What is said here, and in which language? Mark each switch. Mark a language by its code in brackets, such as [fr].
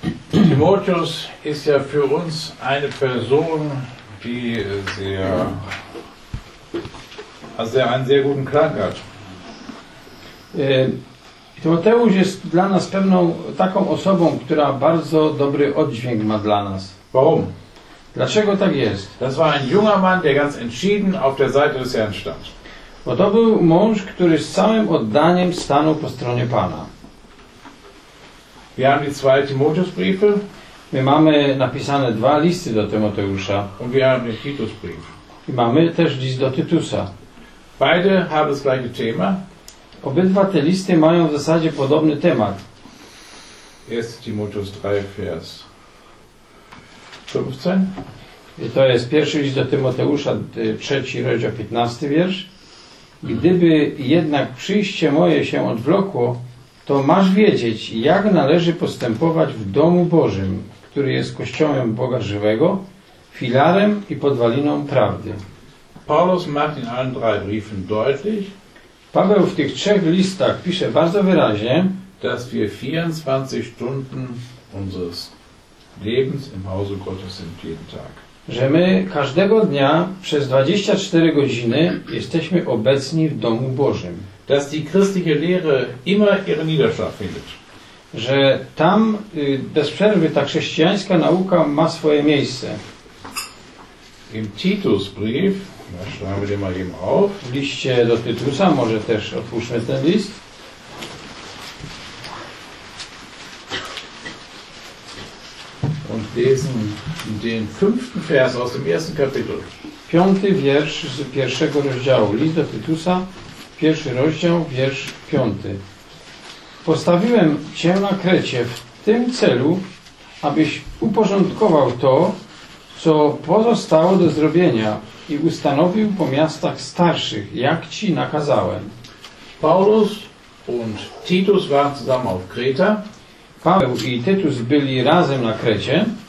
[de] Timotheus ist ja für uns eine Person, die einen sehr guten Klang hat. [pl] Timoteusz jest dla nas pewną taką osobą, która bardzo dobry oddźwięk ma dla nas. [de] Warum? [pl] Dlaczego tak jest? [de] Das war ein junger Mann, der ganz entschieden auf der Seite des Herrn stand. [pl] Bo to był mąż, który z całym oddaniem stanął po stronie Pana. [de] Wir haben die zwei Timotheusbriefe. [pl] My mamy napisane dwa listy do Tymoteusza. [de] Und wir haben den Titusbrief. [pl] I mamy też list do Tytusa. [de] Beide haben das gleiche Thema. [pl] Obydwa te listy mają w zasadzie podobny temat. [de] 1 Timotheus 3, Vers 15. [pl] I to jest pierwszy list do Tymoteusza, trzeci rozdział, 15 wiersz. Gdyby jednak przyjście moje się odwlokło, to masz wiedzieć, jak należy postępować w domu Bożym, który jest kościołem Boga żywego, filarem i podwaliną prawdy. [de] Paulus macht in allen drei Briefen deutlich, [pl] Paweł w tych trzech listach pisze bardzo wyraźnie, [de] dass wir 24 Stunden unseres Lebens im Hause Gottes sind jeden Tag. [pl] Że my każdego dnia przez 24 godziny jesteśmy obecni w Domu Bożym. [de] Dass die christliche Lehre immer ihren Niederschlag findet. [pl] Że tam bez przerwy ta chrześcijańska nauka ma swoje miejsce. [de] Im Titusbrief, ja schreiben wir den mal eben auf. [pl] W liście do Tytusa, może też otwórzmy ten list. [de] Und lesen den fünften Vers aus dem ersten Kapitel. [pl] Piąty wiersz z pierwszego rozdziału. List do Tytusa, pierwszy rozdział, wiersz piąty. Postawiłem cię na Krecie w tym celu, abyś uporządkował to, co pozostało do zrobienia i ustanowił po miastach starszych, jak ci nakazałem. [de] Paulus und Titus waren zusammen auf Kreta. [pl] Paweł i Tytus byli razem na Krecie.